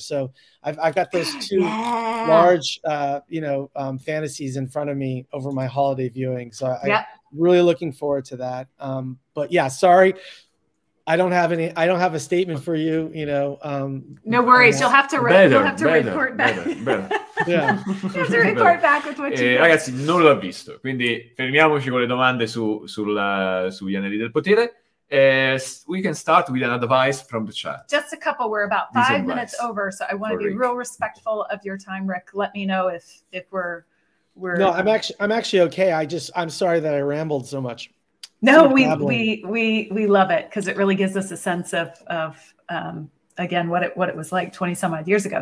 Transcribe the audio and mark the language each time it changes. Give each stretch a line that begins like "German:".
English: So I've got those two large fantasies in front of me over my holiday viewing. So I'm really looking forward to that. Sorry, I don't have a statement for you, you know. No worries, you'll have to report back.
Italian: Ragazzi, non l'ho visto, quindi fermiamoci con le domande sugli anelli del potere.
English: We can start with an advice from the chat. Just a couple. We're about five minutes over, so I want to be real respectful of your time, Rick. Let me know if we're. No, I'm actually okay. I'm sorry that I rambled so much. No, we love it because it really gives us a sense of again, what it was like 20 some odd years ago.